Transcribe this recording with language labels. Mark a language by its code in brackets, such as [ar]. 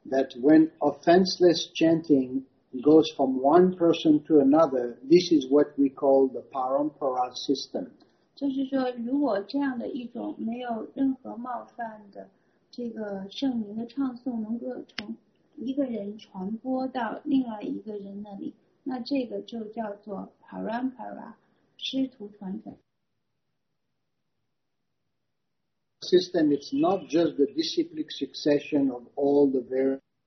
[en] that when offenseless chanting goes from one person to another, this is what we call the parampara system. [zh] 就是说,如果这样的一种没有任何冒犯的这个圣名的唱诵能够从一个人传播到另外一个人那里, 那这个就叫做 parampara 师徒传承 [en] system. It's not just the disciplic succession of all the various.